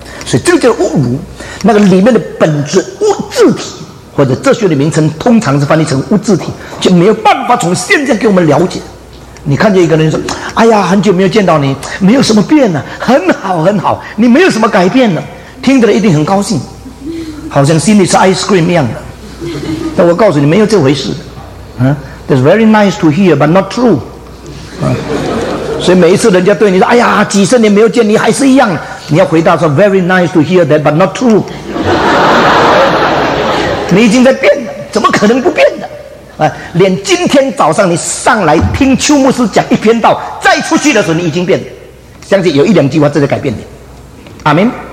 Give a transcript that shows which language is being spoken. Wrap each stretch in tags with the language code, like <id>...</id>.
<zh>所以这个叫物如，那个里面的本质物质体，或者哲学的名称通常是翻译成物质体，就没有办法从现象给我们了解。你看见一个人说，哎呀，很久没有见到你，没有什么变呢，很好很好，你没有什么改变呢，听的人一定很高兴，好像心里吃 ice cream 一样的。但我告诉你没有这回事，</zh> <en>That's very nice to hear but not true。</en> <zh>所以每一次人家对你说，哎呀，几十年没有见你还是一样，你要回答说</zh> <en>very nice to hear that but not true。</en> <zh>你已经在变了，怎么可能不变呢？连今天早上你上来听邱牧师讲一篇道，再出去的时候你已经变了，相信有一两句话正在改变你。阿们。</zh>